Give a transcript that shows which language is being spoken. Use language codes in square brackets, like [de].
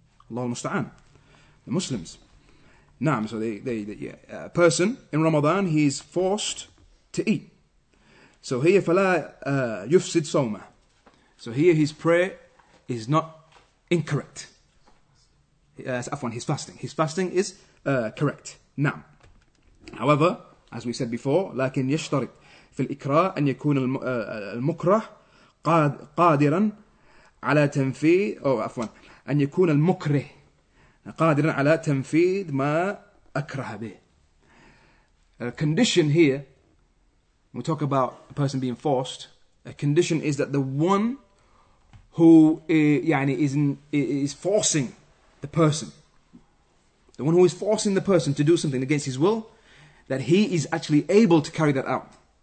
[en] Allah musta'an, the Muslims. Naam, so a person in Ramadan, he is forced to eat. So here, fala yufsid sawma. So here, his prayer is not incorrect. His fasting is correct. Naam. [ar] However, as we said before, لكن يشترط في الإكراء أن يكون المكره قادرا على تنفيذ أن يكون المكره قادرا على تنفيذ ما أكره به. [en] A condition here, we talk about a person being forced. A condition is that the one who is forcing the person, the one who is forcing the person to do something against his will, that he is actually able to carry that out.